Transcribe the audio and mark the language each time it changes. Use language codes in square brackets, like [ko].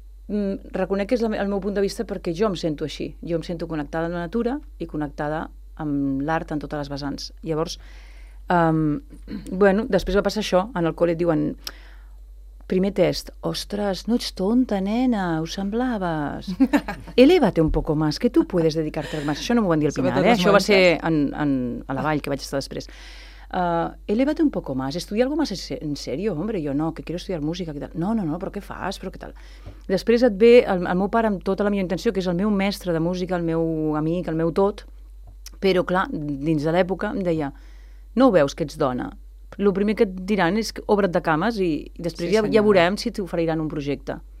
[ca] Reconec que és el meu punt de vista perquè jo em sento així. Jo em sento connectada amb la natura i connectada amb l'art en totes les vessants. Llavors, després va passar això. En el col·le et diuen, primer test, ostres, no ets tonta, nena, ho semblaves. [es] Elévate un poco más, que tu puedes dedicarte más. [ca] Això no m'ho van dir al final, eh? Això va ser a la vall, que vaig estar després. [es] Elévate un poco más, estudia algo más en serio, hombre, yo no, que quiero estudiar música, que tal. [ca] No, però què fas, però què tal. Després et ve el meu pare amb tota la meva intenció, que és el meu mestre de música, el meu amic, el meu tot, però clar, dins de l'època em deia, no ho veus que ets dona, el primer que et diran és que obre't de cames i després sí, ja veurem si t'oferiran un projecte.